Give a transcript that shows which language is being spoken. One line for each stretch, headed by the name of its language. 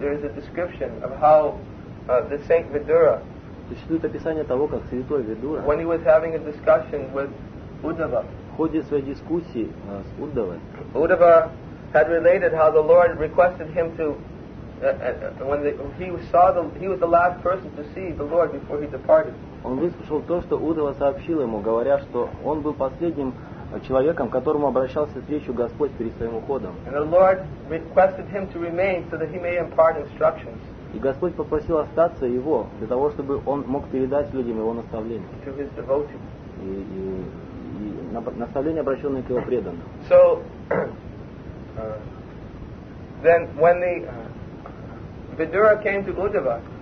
English: there is a description of how the saint Vidura,
Russian: существует описание того, как святой Видура,
English: when he was having a discussion with Uddhava,
Russian: в ходе своей дискуссии с Уддавой,
English: Uddhava had related how the Lord requested him to when he was the last person to see the Lord before he departed.
Russian: Он выслушал то, что Уддава сообщил ему, говоря, что он был последним человеком, которому обращался с речью Господь перед своим уходом.
English: And the Lord requested him to remain so that he may impart instructions.
Russian: И Господь попросил остаться его для того, чтобы он мог передать людям его наставление.
English: To his devotees.
Russian: И наставление, обращенное к его преданным.
English: So then when the Vidura came to Uddhava.